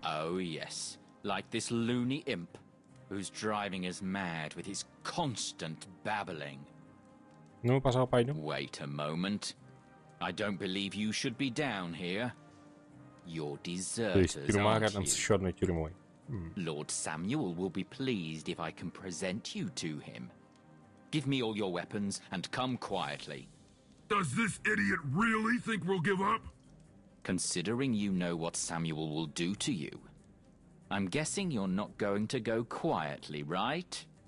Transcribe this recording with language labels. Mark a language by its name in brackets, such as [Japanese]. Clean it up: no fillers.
[English] Oh yes, like this loony imp, who's driving us mad with his constant babbling. [Russian] Ну, пожалуй, пойдем. [English] Wait a moment. I don't believe you should be down here. You're deserters, aren't you? [Russian] То есть тюрьма рядом с еще одной тюрьмой. [English] Lord Samuel will be pleased if I can present you to him. Give me all your weapons and come quietly. Does this idiot really think we'll give up? Considering you know what Samuel will do to you, I'm guessing you're not going to go quietly, right?